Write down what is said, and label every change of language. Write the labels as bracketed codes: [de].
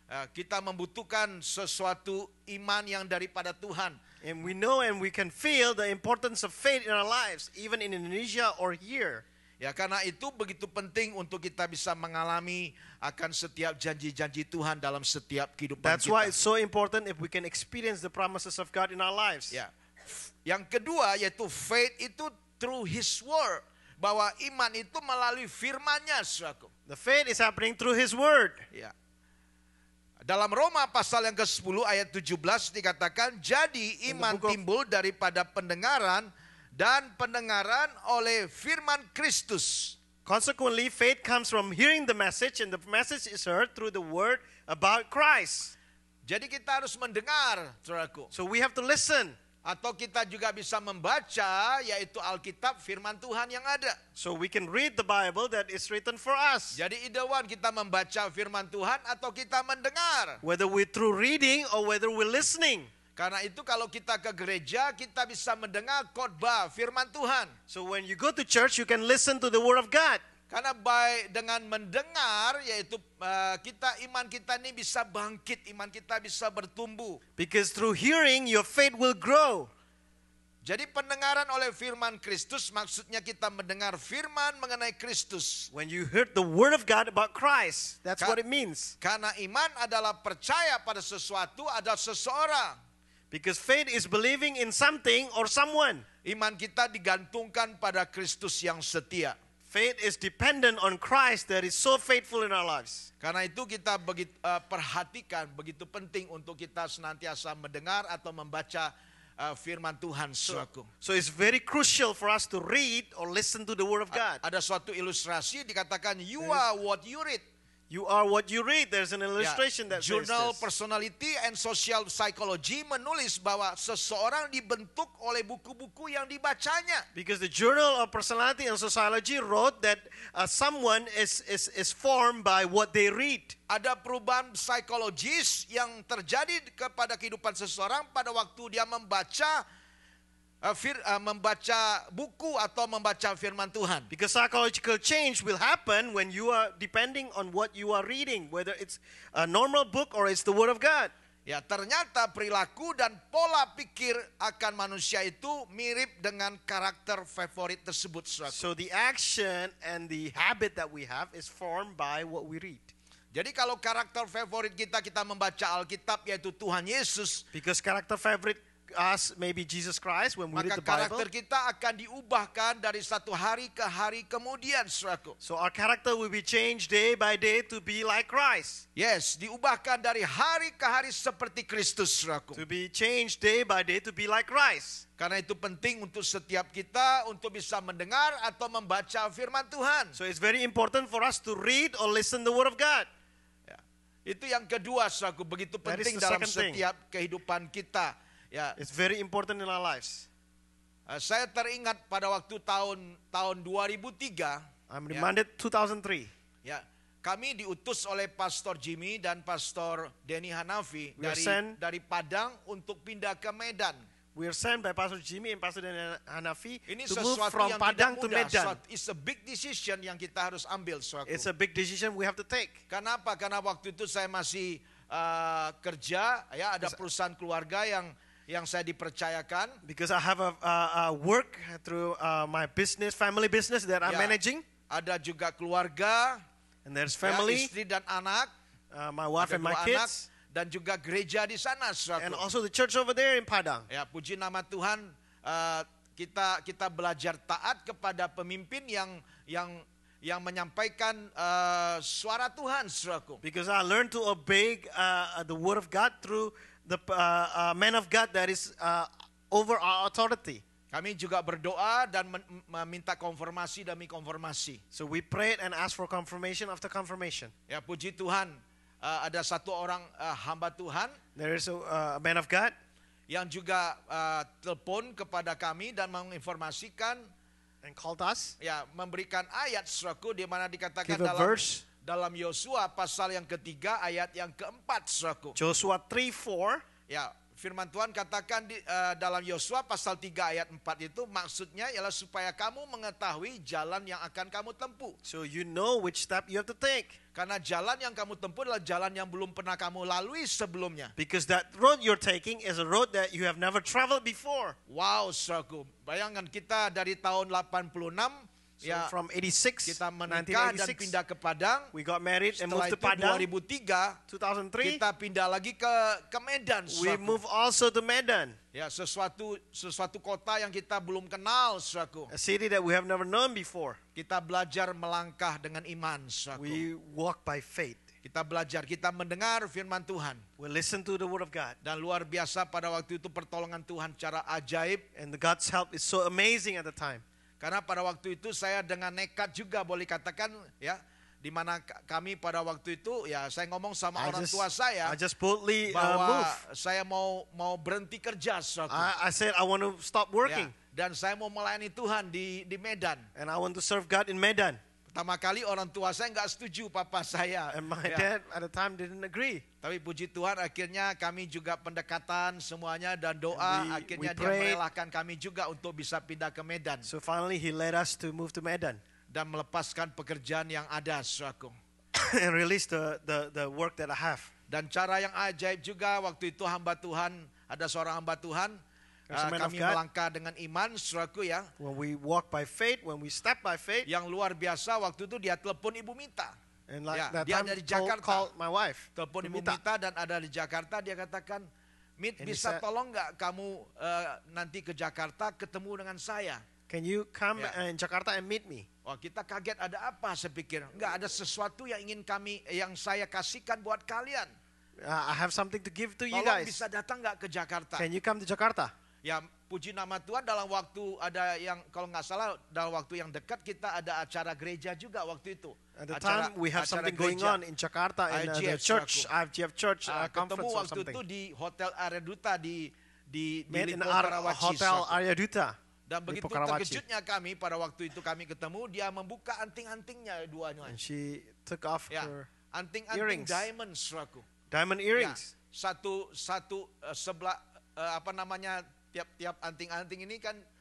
[id] Kita membutuhkan sesuatu iman yang daripada Tuhan. [en] And we know and we can feel the importance of faith in our lives, even in Indonesia or here. [id] Ya, karena itu begitu penting untuk kita bisa mengalami akan setiap janji-janji Tuhan dalam setiap kehidupan [en] That's [id] kita. [en] That's why it's so important if we can experience the promises of God in our lives. [id] Ya. Yang kedua, yaitu faith itu [en] through His Word. [id] Bahwa iman itu melalui firman-Nya, saudaraku. [en] The faith is happening through His Word. [id] Ya. Dalam Roma pasal yang ke-10 ayat 17 dikatakan, jadi iman timbul daripada pendengaran dan pendengaran oleh firman Kristus. [en] Consequently, faith comes from hearing the message and the message is heard through the word about Christ. [id] Jadi kita harus mendengar, saudaraku. [en] So we have to listen. [id] Atau kita juga bisa membaca, yaitu Alkitab, firman Tuhan yang ada. [en] So we can read the Bible that is written for us. [id] Jadi [en] either one, [id] kita membaca firman Tuhan atau kita mendengar. [en] Whether we through reading or whether we listening. [id] Karena itu kalau kita ke gereja, kita bisa mendengar khotbah firman Tuhan. [en] So when you go to church, you can listen to the word of God. [id] Karena baik dengan mendengar, yaitu kita iman kita ini bisa bangkit, iman kita bisa bertumbuh. [en] Because through hearing, your faith will grow. [id] Jadi pendengaran oleh firman Kristus, maksudnya kita mendengar firman mengenai Kristus. [en] When you heard the word of God about Christ, that's what it means. [id] Karena iman adalah percaya pada sesuatu, ada seseorang. [en] Because faith is believing in something or someone. [id] Iman kita digantungkan pada Kristus yang setia. [en] Faith is dependent on Christ that is so faithful in our lives. [id] Karena itu kita begitu perhatikan begitu penting untuk kita senantiasa mendengar atau membaca firman Tuhan, saudaraku. [en] So it's very crucial for us to read or listen to the word of God. [id] Ada suatu ilustrasi dikatakan [en] you are what you read. You are what you read. There's an illustration that says [id] Journal Personality and Social Psychology menulis bahwa seseorang dibentuk oleh buku-buku yang dibacanya. [en] Because the Journal of Personality and Sociology wrote that someone is formed by what they read. [id] Ada perubahan psikologis yang terjadi kepada kehidupan seseorang pada waktu dia membaca membaca buku atau membaca firman Tuhan. [en] Because psychological change will happen when you are depending on what you are reading, whether it's a normal book or it's the word of God. [id] Ya, ternyata perilaku dan pola pikir akan manusia itu mirip dengan karakter favorit tersebut. [en] So the action and the habit that we have is formed by what we read. [id] Jadi kalau karakter favorit kita, kita membaca Alkitab, yaitu Tuhan Yesus. [en] Because character favorite us maybe Jesus Christ when we read the Bible. [id] Maka karakter kita akan diubahkan dari satu hari ke hari kemudian, saudaraku. [en] So our character will be changed day by day to be like Christ. Yes, [id] diubahkan dari hari ke hari seperti Kristus, saudaraku. [en] To be changed day by day to be like Christ. [id] Karena itu penting untuk setiap kita untuk bisa mendengar atau membaca firman Tuhan. [en] So it's very important for us to read or listen the word of God. Yeah. [id] Itu yang kedua, saudaraku, begitu penting dalam setiap kehidupan kita. Ya, yeah. [en] It's very important in our lives. [id] Saya teringat pada waktu tahun 2003. [en] I'm reminded 2003. [id] Ya, kami diutus oleh Pastor Jimmy dan Pastor Denny Hanafi dari Padang untuk pindah ke Medan. [en] We're sent by Pastor Jimmy and Pastor Denny Hanafi [id] ini [en] to move from Padang to Medan. It's a big decision [id] yang kita harus ambil. Suatu. [en] It's a big decision we have to take. [id] Kenapa? Karena waktu itu saya masih kerja, ya, ada perusahaan keluarga yang saya dipercayakan. [en] Because I have a work through my business, family business that I'm managing. [id] Ada juga keluarga. [en] And there's family. [id] Ya, istri dan anak. [en] My wife [id] ada [en] and my kids. [id] Dan juga gereja di sana. Suatu. [en] And also the church over there in Padang. [id] Ya, puji nama Tuhan, kita belajar taat kepada pemimpin yang menyampaikan suara Tuhan, saudaraku. [en] Because I learned to obey the word of God through the man of God that is over our authority. [id] Kami juga berdoa dan meminta konfirmasi demi konfirmasi. [en] So we prayed and asked for confirmation after confirmation. [id] Ya, puji Tuhan, ada satu orang hamba Tuhan. [en] There is a man of God [id] yang juga telepon kepada kami dan menginformasikan. [en] And called us. [id] Ya, memberikan ayat suraku di mana dikatakan dalam Yosua pasal yang ketiga ayat yang keempat, saudaraku. [en] Joshua 3:4. [id] Ya, firman Tuhan katakan di dalam Yosua pasal 3 ayat 4 itu maksudnya ialah supaya kamu mengetahui jalan yang akan kamu tempuh. [en] So you know which step you have to take. [id] Karena jalan yang kamu tempuh adalah jalan yang belum pernah kamu lalui sebelumnya. [en] Because that road you're taking is a road that you have never traveled before. [id] Wow, saudaraku. Bayangkan kita dari tahun 86. [en] So [id] ya, [en] from 86, [id] kita menikah dan pindah ke Padang. [en] We got married [id] setelah [en] and moved to Padang. [id] 2003, kita pindah lagi ke Medan. [en] We move also to Medan. [id] Ya, sesuatu kota yang kita belum kenal, saudaraku. [en] A city that we have never known before. [id] Kita belajar melangkah dengan iman, saudaraku. [en] We walk by faith. [id] Kita belajar, kita mendengar firman Tuhan. [en] We listen to the word of God. [id] Dan luar biasa pada waktu itu pertolongan Tuhan cara ajaib. [en] And God's help is so amazing at the time. [id] Karena pada waktu itu saya dengan nekat juga boleh katakan, ya, di mana kami pada waktu itu, ya, saya ngomong sama orang tua saya, [en] I just boldly, [id] bahwa [en] move. [id] Saya mau berhenti kerja. [en] So I said I want to stop working. [id] Ya, dan saya mau melayani Tuhan di Medan. [en] And I want to serve God in Medan. [id] Pertama kali orang tua saya enggak setuju, papa saya. [en] And my dad at the time didn't agree. [id] Tapi puji Tuhan akhirnya kami juga pendekatan semuanya dan doa. Akhirnya dia merelakan kami juga untuk bisa pindah ke Medan. [en] So finally he led us to move to Medan. [id] Dan melepaskan pekerjaan yang ada, saudaraku. [en] And release the work that I have. [id] Dan cara yang ajaib juga waktu itu hamba Tuhan, ada seorang hamba Tuhan. Kami melangkah dengan iman, saudaraku, ya. [en] When we walk by faith, when we step by faith. [id] Yang luar biasa waktu itu dia telepon Ibu Mita. [en] And like, [id] ya, [en] that [id] dia [en] time [id] dari Jakarta. [en] Called my wife. [id] Telepon Ibu Mita dan ada di Jakarta, dia katakan, Mit, bisa said, tolong enggak kamu nanti ke Jakarta ketemu dengan saya? [en] Can you come in Jakarta and meet me? [id] Wah, kita kaget, ada apa? Saya pikir enggak ada sesuatu yang ingin kami yang saya kasihkan buat kalian. [en] I have something to give to [id] tolong [en] you guys. [id] Tolong bisa datang enggak ke Jakarta? [en] Can you come to Jakarta? [id] Ya, puji nama Tuhan dalam waktu ada yang, kalau enggak salah, dalam waktu yang dekat kita ada acara gereja juga waktu itu. [en] At the time, we have something [id] gereja [en] going on in Jakarta, in the church, IFGF church conference or something. [id] Ketemu waktu itu di Hotel Arya Duta di Lipo Karawaci. Hotel Arya Duta. Dan begitu terkejutnya kami, pada waktu itu kami ketemu, dia membuka anting-antingnya duanya. [en] And she took off her [id] anting-anting [en] earrings. Diamonds, raku. Diamond earrings. [id] Ya, satu sebelah, apa namanya, tiap-tiap anting-anting ini kan